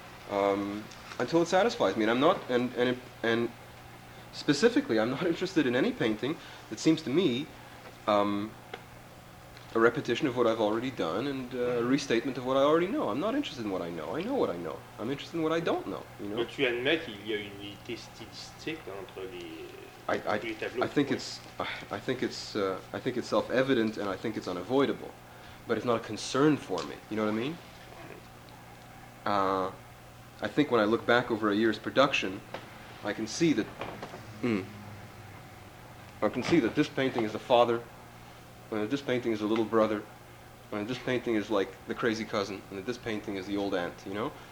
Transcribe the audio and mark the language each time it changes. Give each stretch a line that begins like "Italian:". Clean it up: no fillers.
English: Until it satisfies me, and I'm not and. Specifically, I'm not interested in any painting that seems to me a repetition of what I've already done and a restatement of what I already know. I'm not interested in what I know. I know what I know. I'm interested in what I don't know. You know.
French: Mais tu admets qu'il y a une unité stylistique entre les tableaux.
English: I think it's self-evident, and I think it's unavoidable, but it's not a concern for me. You know what I mean? I think when I look back over a year's production, I can see that I can see that this painting is a father, and this painting is a little brother, and this painting is like the crazy cousin, and this painting is the old aunt, you know?